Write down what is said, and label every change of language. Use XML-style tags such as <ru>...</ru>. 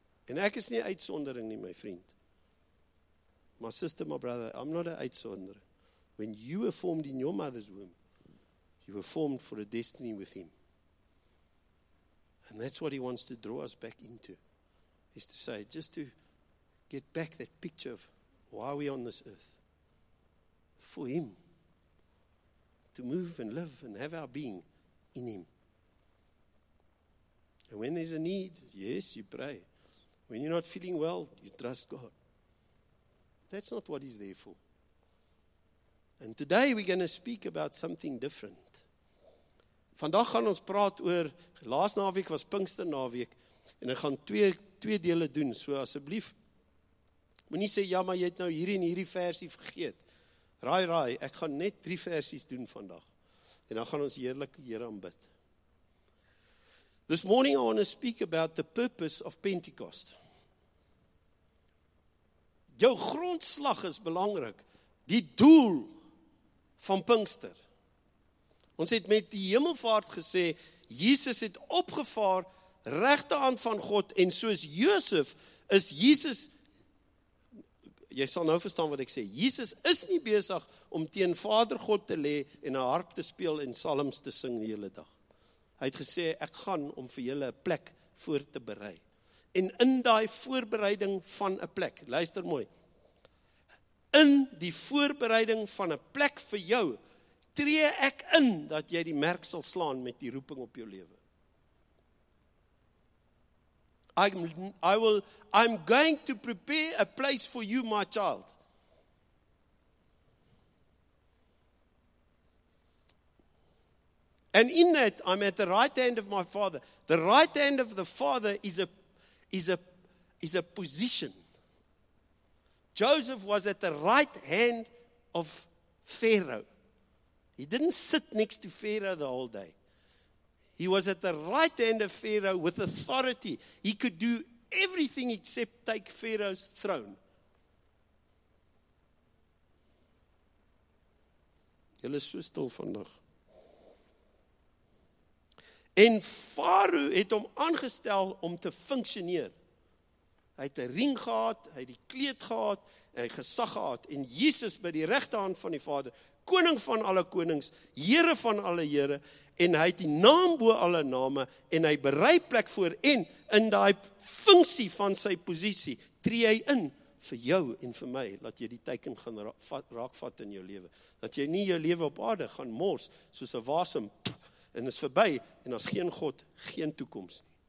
<af>En ek is nie uitsondering nie, my vriend.</af> <en>My sister, my brother, I'm not an</en> <af>uitsondering.</af> <en>When you were formed in your mother's womb, you were formed for a destiny with him. And that's what he wants to draw us back into, is to say, just to get back that picture of why we're on this earth. For him. To move and live and have our being in him. And when there's a need, yes, you pray. When you're not feeling well, you trust God. That's not what he's there for. And today we're going to speak about something different.</en> <af>Vandag gaan ons praat oor, laas naweek was Pinkster naweek, en ek gaan twee dele doen, so asseblief, moet nie sê, ja, maar jy het nou hierdie en hierdie versie vergeet. Raai, ek gaan net 3 versies doen vandag, en dan gaan ons heerlik hier aanbid.</af> <en>This morning I want to speak about the purpose of Pentecost.</en> <af>Jou grondslag is belangrik, die doel van Pinkster. Ons het met die hemelvaart gesê, Jesus het opgevaar, regte hand van God, en soos Josef is Jesus, jy sal nou verstaan wat ek sê, Jesus is nie besig om teen Vader God te lê en 'n harp te speel en psalms te sing die hele dag. Hy het gesê, ek gaan om vir julle 'n plek voor te berei. En in die voorbereiding van 'n plek, luister mooi, in die voorbereiding van 'n plek vir jou, tree ek in dat jy die merk sal slaan met die roeping op jou lewe.</af> <en>I'm going to prepare a place for you, my child. And in that, I'm at the right hand of my father. The right hand of the father is a position. Joseph was at the right hand of Pharaoh. He didn't sit next to Pharaoh the whole day. He was at the right hand of Pharaoh with authority. He could do everything except take Pharaoh's throne.</en> <af>Julle is so stil vandag. En Farao het hom aangestel om te funksioneer. Hy het 'n ring gehad, hy het die kleed gehad, en hy het gesag gehad, en Jesus by die regte hand van die Vader, koning van alle konings, Here van alle Here, en hy het die naam bo alle name, en hy berei plek voor, en in die funksie van sy posisie, tree hy in vir jou en vir my, dat jy die teken gaan raakvat in jou lewe, dat jy nie jou lewe op aarde gaan mors, soos 'n wasem, en is verby, en as geen God, geen toekoms nie.</af>